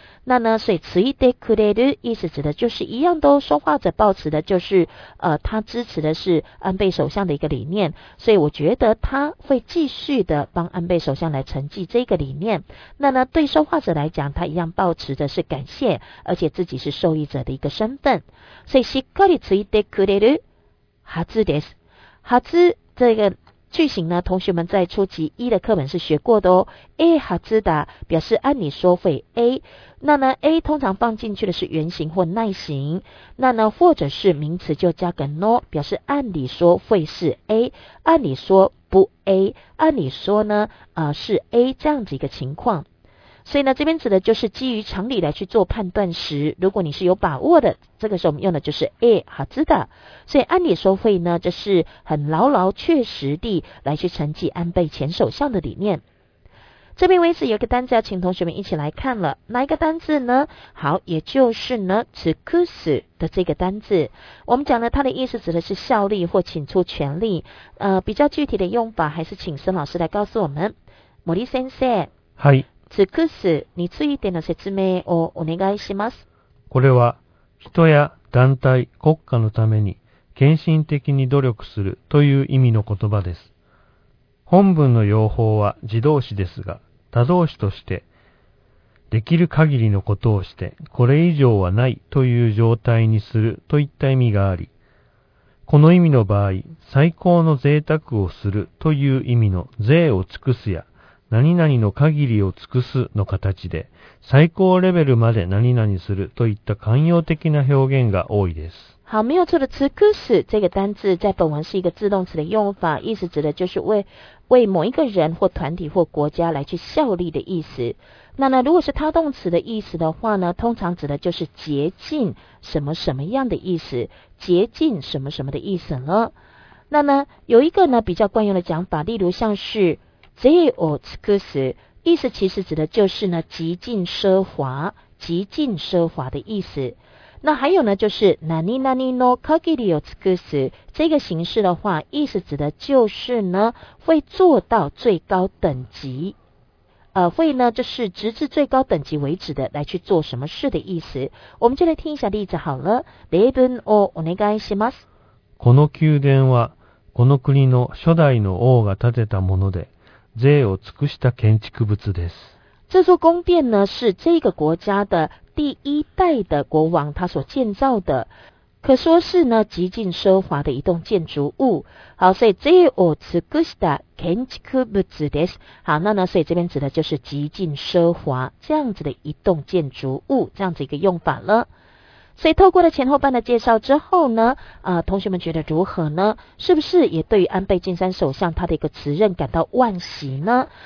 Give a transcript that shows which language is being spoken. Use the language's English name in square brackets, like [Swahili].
[Chinese] 那呢，所以 [Japanese] ついてくれる [Chinese] 意思指的就是一样都说话者抱持的，就是他支持的是安倍首相的一个理念，所以我觉得他会继续的帮安倍首相来承继这个理念。那呢，对说话者来讲，他一样抱持的是感谢，而且自己是受益者的一个身份。 [Japanese] 所以しっかりついてくれるはずです。 [Chinese] はず这个句型呢，同学们在初级一的课本是学过的哦。 A 哈兹达表示按理说会 A， 那呢 A 通常放进去的是原型或耐型，那呢或者是名词就加个 no， 表示按理说会是 A， 按理说不 A， 按理说呢是 A 这样子一个情况。所以呢这边指的就是基于常理来去做判断时，如果你是有把握的，这个时候我们用的就是 A 哈兹达。所以按理说会呢，这是很牢牢确实地来去承继安倍前首相的理念。这边为止有一个单字要请同学们一起来看了，哪一个单字呢？好，也就是呢此刻死的这个单字，我们讲了它的意思指的是效力或请出全力，比较具体的用法还是请孙老师来告诉我们。 [Japanese] 森先生， [Chinese] 是 [Japanese] 尽くすについての説明をお願いします。これは、人や団体、国家のために献身的に努力するという意味の言葉です。本文の用法は自動詞ですが、他動詞として、できる限りのことをして、これ以上はないという状態にするといった意味があり、この意味の場合、最高の贅沢をするという意味の贅を尽くすや、何々の限りを尽くすの形で、最高レベルまで何々するといった慣用的な表現が多いです。 [Chinese] 好，没有错的，尽くす这个单字在本文是一个自动词的用法，意思指的就是为某一个人或团体或国家来去效力的意思。那呢，如果是他动词的意思的话呢，通常指的就是竭尽什么什么样的意思，竭尽什么什么的意思呢？那呢，有一个呢比较惯用的讲法，例如像是 [Japanese] 贅を尽くす， [Chinese] 意思其实指的就是呢极尽奢华，极尽奢华的意思。那还有呢就是 [Japanese] 何々の限りを尽くす， [Chinese] 这个形式的话意思指的就是呢会做到最高等级，会呢就是直至最高等级为止的来去做什么事的意思。我们就来听一下例子好了。 [Japanese] 例文をお願いします。この宮殿はこの国の初代の王が建てたもので、贅を尽くした建築物です。 [Chinese] 这座宫殿呢是这个国家的第一代的国王他所建造的，可说是呢极尽奢华的一栋建筑物。好，所以 [Japanese] 贅を尽くした建築物です。 [Chinese] 好，那呢所以这边指的就是极尽奢华这样子的一栋建筑物，这样子一个用法了。所以透过了前后半的介绍之后呢，同学们觉得如何呢？是不是也对于安倍晋三首相他的一个辞任感到惋惜呢？